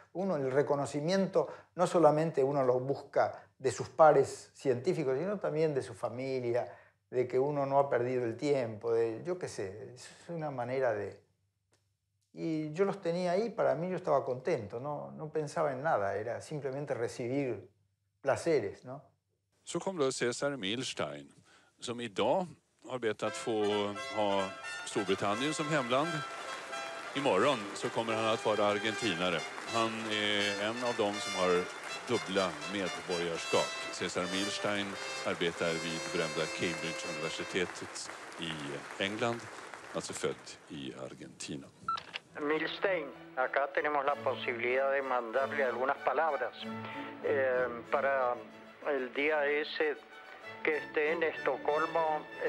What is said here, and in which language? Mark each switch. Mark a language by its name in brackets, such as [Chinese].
[Spanish] Uno, el reconocimiento, no solamente uno lo busca de sus pares científicos, sino también de su familia, de que uno no ha perdido el tiempo, de, yo qué sé, es una manera de... Y yo los tenía ahí, para mí yo estaba contento, ¿no? No pensaba en nada, era simplemente recibir placeres, ¿no? [Swedish] Så kom då César Milstein, som idag har bett att få ha Storbritannien som hemland. Imorgon så kommer han att vara argentinare. Han är en av dem som har dubbla medborgarskap. César Milstein arbetar vid berömda Cambridge universitetet i England, alltså född i Argentina. [Spanish] Milstein, acá tenemos la posibilidad de mandarle algunas palabras para el día ese que esté en Estocolmo.